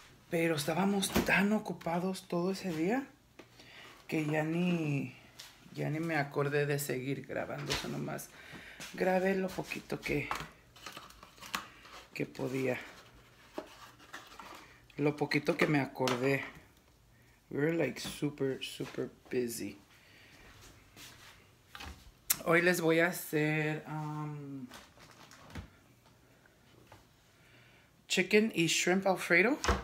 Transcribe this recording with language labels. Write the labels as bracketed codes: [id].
[es] Pero estábamos tan ocupados todo ese día que ya ni me acordé de seguir grabando. Eso nomás grabé lo poquito que podía. Lo poquito que me acordé. [en] We were like super, super busy. [es] Hoy les voy a hacer chicken y shrimp alfredo.